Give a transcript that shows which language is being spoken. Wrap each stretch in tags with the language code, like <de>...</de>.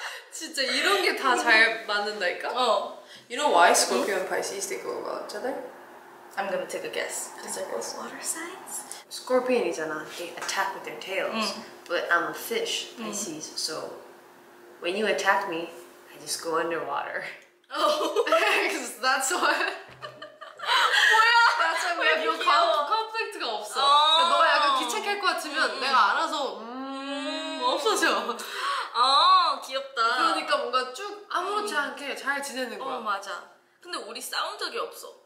<ko>진짜 이런 게 다 잘 맞는다니까? 어.</ko> <en>You know why Scorpio and Pisces they go well together? I'm gonna take a guess. Is it both water signs?</en> <ko>Scorpion이잖아.</ko> <en>They attack with their tails. Mm. But I'm a fish, Pisces. Mm. So when you attack me, I just go underwater. Oh. Because that's why.</en> <ko>뭐야? 나 참 왜 이거 컨플렉트가 없어. 너 약간 귀찮게 할 것 같으면 내가 알아서 없어져. 아 귀엽다. 그러니까 뭔가 쭉 아무렇지 않게 잘 지내는 거야. 어 맞아. 근데 우리 싸운 적이 없어.</ko>